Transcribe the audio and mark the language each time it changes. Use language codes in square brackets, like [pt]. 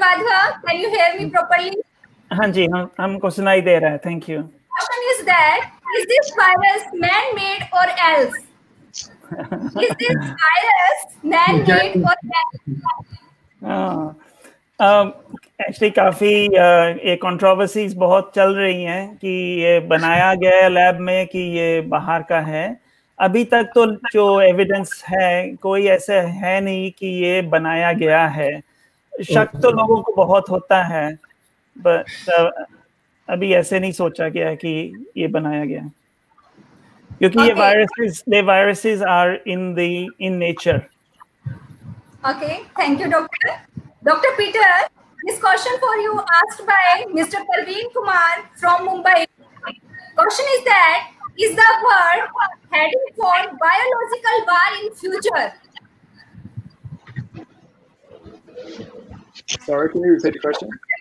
[en] Vadhva, can you hear me properly? [hi] Hanji, humko sunai de raha hai. [en] Thank you. Question is that, is this virus man-made or else? Is this virus man-made or else? [hi] Actually काफ़ी ये controversies बहुत चल रही हैं कि ये बनाया गया है लैब में कि ये बाहर का है। अभी तक तो जो एविडेंस है कोई ऐसे है नहीं कि ये बनाया गया है, शक तो लोगों को बहुत होता है, बट अभी ऐसे नहीं सोचा गया है कि ये बनाया गया, क्योंकि ये [en] Viruses are in nature. Okay, thank you doctor Peter. This question for you asked by Mr. Parveen Kumar from Mumbai. Question is that, is the world heading for biological war in future? Sorry, can you repeat the question?